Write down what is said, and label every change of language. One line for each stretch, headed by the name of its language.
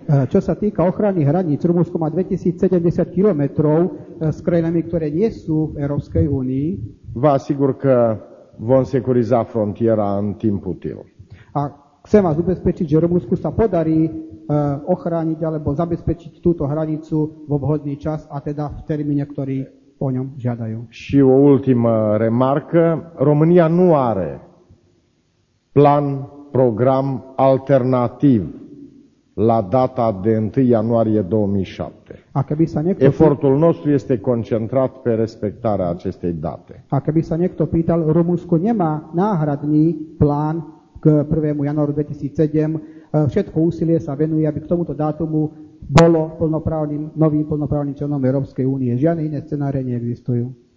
Slovak: čo sa týka ochrany hraníc, Rumunsko má 2070 kilometrov s krajinami, ktoré nie sú v Európskej únii.
Romanian: Vă asigur că vom securiza frontiera în timp util.
Slovak: A chcem vás ubezpečiť, že Rumunsku sa podarí ochrániť alebo zabezpečiť túto hranicu v obhodný čas a teda v termíne, ktorý po ňom žiadajú.
Romanian: Și o ultimă remarcă, România nu are plan, program alternativ la data de 1 ianuarie 2007.
Slovak: A keby sa niekto...
Romanian: Efortul nostru este concentrat pe respectarea acestei date.
Slovak: A keby sa niekto pýtal, Rumunsko nemá náhradný plán k 1. januáru 2007. Všetko úsilie sa venuje, aby k tomuto dátumu bolo plnoprávnym, novým plnoprávnym členom Európskej únie. Žiadne iné scenárie neexistujú.